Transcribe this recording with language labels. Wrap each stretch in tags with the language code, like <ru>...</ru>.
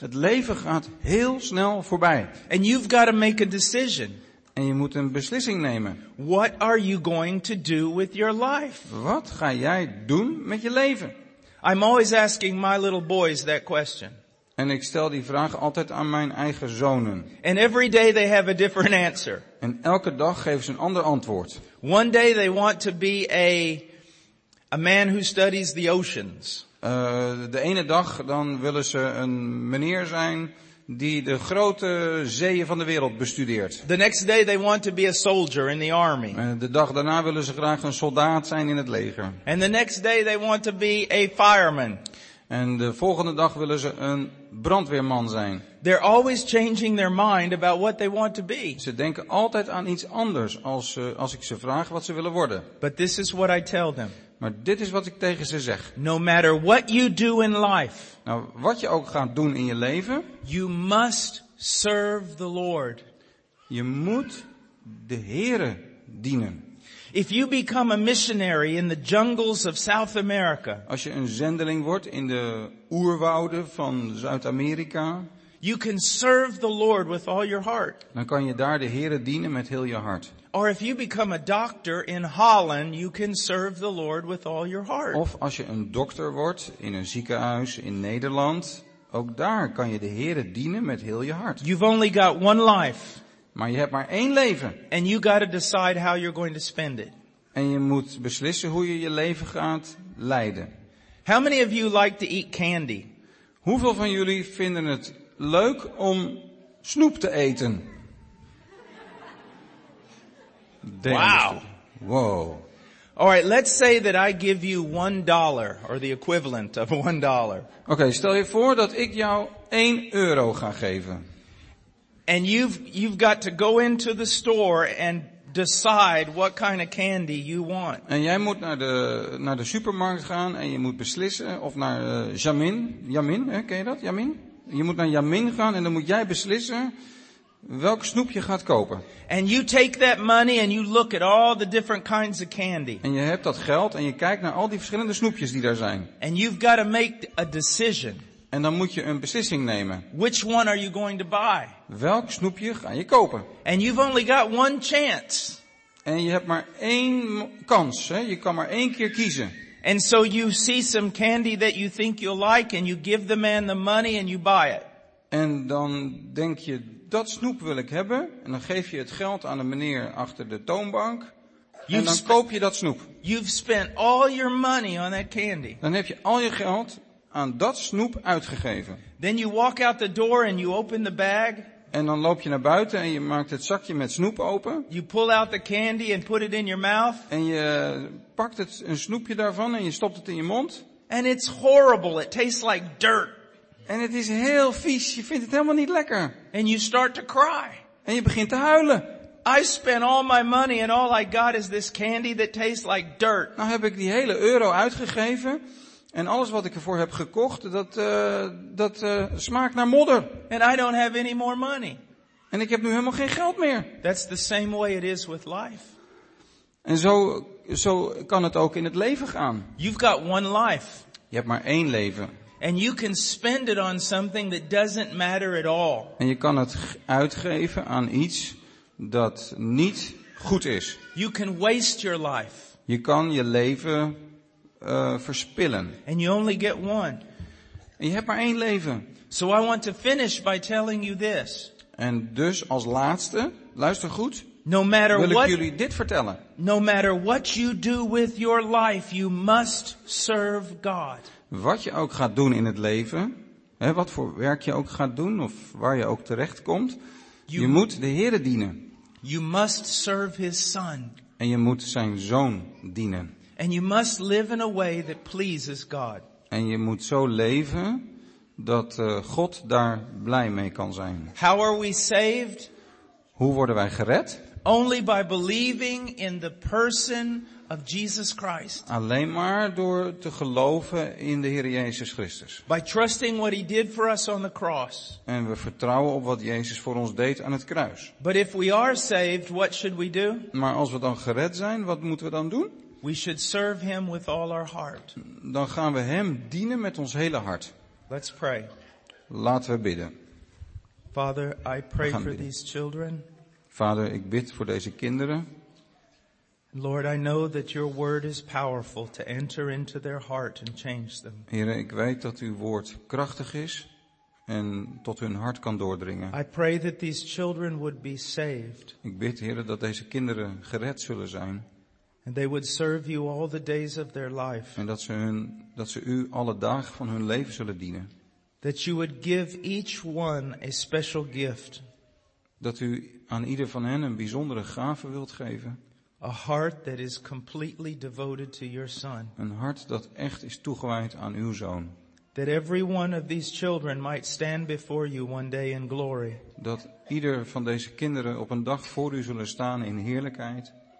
<nl>Het leven gaat heel snel voorbij.</nl> <en>And you've got to make a decision.</en> <nl>En je moet een beslissing nemen.</nl> <en>What are you going to do with your life?</en> <nl>Wat ga jij doen met je leven?</nl> <en>I'm always asking my little boys that question.</en> <nl>En ik stel die vraag altijd aan mijn eigen zonen.</nl> <en>And every day they have a different answer.</en> <nl>En elke dag geven ze een ander antwoord.</nl> <en>One day they want to be a man who studies the oceans.</en> <nl>De ene dag dan willen ze een meneer zijn die de grote zeeën van de wereld bestudeert.</nl> <en>The next day they want to be a soldier in the army.</en> <nl>De dag daarna willen ze graag een soldaat zijn in het leger.</nl> <en>And the next day they want to be a fireman.</en> <nl>En de volgende dag willen ze een brandweerman zijn.</nl> <en>They're always changing their mind about what they want to be.</en> <nl>Ze denken altijd aan iets anders als ik ze vraag wat ze willen worden.</nl> <en>But this is what I tell them.</en> <nl>Maar dit is wat ik tegen ze zeg.</nl> <en>No matter what you do in life.</en> <nl>Nou, wat je ook gaat doen in je leven.</nl> <en>You must serve the Lord.</en> <nl>Je moet de Here dienen.</nl> <en>If you become a missionary in the jungles of South America.</en> <nl>Als je een zendeling wordt in de oerwouden van Zuid-Amerika.</nl> <en>You can serve the Lord with all your heart.</en> <nl>Dan kan je daar de Here dienen met heel je hart.</nl> <en>Or if you become a doctor in Holland, you can serve the Lord with all your heart.</en> <nl>Of als je een dokter wordt in een ziekenhuis in Nederland, ook daar kan je de Here dienen met heel je hart.</nl> <en>You've only got one life.</en> <nl>Maar je hebt maar één leven.</nl> <en>And you got to decide how you're going to spend it.</en> <nl>En je moet beslissen hoe je je leven gaat leiden.</nl> <en>How many of you like to eat candy?</en> <nl>Hoeveel van jullie vinden het leuk om snoep te eten? Wow. Whoa.</nl> <en>All right, let's say that I give you $1 or the equivalent of $1.</en> <nl>Okay, stel je voor dat ik jou 1 euro ga geven.</nl> <en>And you've got to go into the store and decide what kind of candy you want.</en> <nl>En jij moet naar de supermarkt gaan en je moet beslissen of naar Jamin. Jamin, hè, ken je dat? Jamin? Je moet naar Jamin gaan en dan moet jij beslissen welk snoep je gaat kopen.</nl> <en>And you take that money and you look at all the different kinds of candy.</en> <nl>En je hebt dat geld en je kijkt naar al die verschillende snoepjes die daar zijn.</nl> <en>And you've got to make a decision.</en> <nl>En dan moet je een beslissing nemen.</nl> <en>Which one are you going to buy?</en> <nl>Welk snoepje ga je kopen?</nl> <en>And you've only got one chance.</en> <nl>En je hebt maar 1 kans, hè? Je kan maar 1 keer kiezen.</nl> <en>And so you see some candy that you think you'll like and you give the man the money and you buy it.</en> <nl>En dan denk je, dat snoep wil ik hebben. En dan geef je het geld aan de meneer achter de toonbank. En dan koop je dat snoep.</nl> <en>You've spent all your money on that candy.</en> <nl>Dan heb je al je geld aan dat snoep uitgegeven.</nl> <en>Then you walk out the door and you open the bag.</en> <nl>En dan loop je naar buiten en je maakt het zakje met snoep open.</nl> <en>You pull out the candy and put it in your mouth.</en> <nl>En je pakt een snoepje daarvan en je stopt het in je mond.</nl> <en>And it's horrible. It tastes like dirt.</en> <nl>En het is heel vies. Je vindt het helemaal niet lekker.</nl> <en>And you start to cry.</en> <nl>En je begint te huilen.</nl> <en>I spent all my money and all I got is this candy that tastes like dirt.</en> <nl>Nou heb ik die hele euro uitgegeven. En alles wat ik ervoor heb gekocht, dat smaakt naar modder.</nl> <en>And I don't have any more money.</en> <nl>En ik heb nu helemaal geen geld meer.</nl> <en>That's the same way it is with life.</en> <nl>En zo kan het ook in het leven gaan.</nl> <en>You've got one life.</en> <nl>Je hebt maar één leven.</nl> <en>And you can spend it on something that doesn't matter at all.</en> <nl>En je kan het uitgeven aan iets dat niet goed is.</nl> <en>You can waste your life.</en> <nl>Je kan je leven verspillen.</nl> <en>And you only get one.</en> <nl>En je hebt maar één leven.</nl> <en>So I want to finish by telling you this.</en> <nl>En dus als laatste, luister goed. Wil ik jullie dit vertellen.</nl> <en>No matter what you do with your life, you must serve God.</en> <nl>Wat je ook gaat doen in het leven, hè, wat voor werk je ook gaat doen of waar je ook terecht komt, je moet de Heere dienen.</nl> <en>You must serve his son.</en> <nl>En je moet zijn zoon dienen.</nl> <en>And you must live in a way that pleases God.</en> <nl>En je moet zo leven dat God daar blij mee kan zijn.</nl> <en>How are we saved?</en> <nl>Hoe worden wij gered?</nl> <en>Only by believing in the person of Jesus Christ.</en> <nl>Alleen maar door te geloven in de Heer Jezus Christus.</nl> <en>By trusting what he did for us on the cross.</en> <nl>En we vertrouwen op wat Jezus voor ons deed aan het kruis.</nl> <en>But if we are saved, what should we do?</en> <nl>Maar als we dan gered zijn, wat moeten we dan doen?</nl> <en>We should serve him with all our heart.</en> <nl>Dan gaan we hem dienen met ons hele hart.</nl> <en>Let's pray.</en> <nl>Laten we bidden.</nl> <en>Father, I pray for these children.</en> <nl>Vader, ik bid voor deze kinderen.</nl> <en>Lord, I know that your word is powerful to enter into their heart and change them.</en> <nl>Heere, ik weet dat uw woord krachtig is en tot hun hart kan doordringen.</nl> <en>I pray that these children would be saved.</en> <nl>Ik bid, Heere, dat deze kinderen gered zullen zijn.</nl> <en>And they would serve you all the days of their life.</en> <nl>En dat ze u alle dagen van hun leven zullen dienen.</nl> <en>That you would give each one a special gift.</en> <nl>Dat u aan ieder van hen een bijzondere gave wilt geven.</nl> <en>A heart that is completely devoted to your son.</en> <nl>Een hart dat echt is toegewijd aan uw zoon.</nl> <en>That every one of these children might stand before you one day in glory.</en> <nl>Dat ieder van deze kinderen op een dag voor u zullen staan in heerlijkheid.</nl>